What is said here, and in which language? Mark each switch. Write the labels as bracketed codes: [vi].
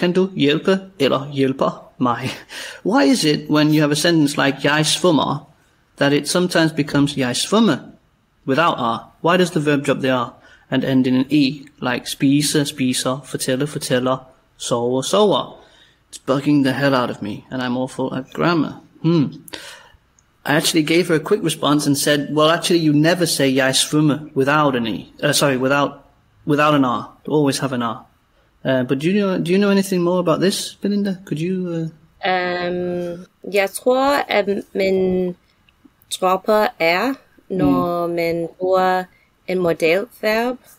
[da] Kan du hjælpe eller hjælper mig? [en] Why is it when you have a sentence like [da] jeg svømmer, [en] that it sometimes becomes jeg svømmer without R? Why does the verb drop the R and end in an E, like spise, spiser, fortælle, fortæller, sove, sover? It's bugging the hell out of me, and I'm awful at grammar. I actually gave her a quick response and said, well, actually, you never say [da] jeg svømmer [en] without an E. Without an R. You always have an R. But do you know anything more about this, Belinda? Could you... [da] Jeg tror, at man dropper R, når man bruger en modelverb.